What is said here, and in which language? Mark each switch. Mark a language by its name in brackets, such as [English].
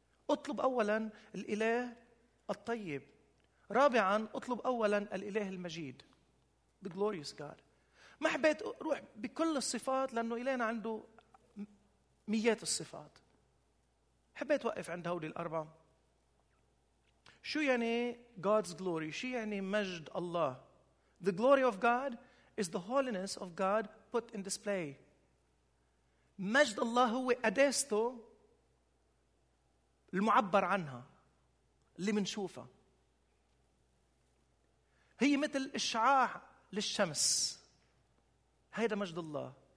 [Arabic] اطلب أولا الإله الطيب. رابعا اطلب أولا الإله المجيد، [English] the glorious God. [Arabic] ما حبيت روح بكل الصفات لأنه إلهنا عنده ميات الصفات. حبيت وقف عند هودي الأربعة. شو يعني [English] God's glory؟ [Arabic] شو يعني مجد الله؟ [English] The glory of God is the holiness of God put in display. [Arabic] مجد الله هو قداسته المعبر عنها اللي منشوفها. هي مثل إشعاع للشمس. هيدا مجد الله.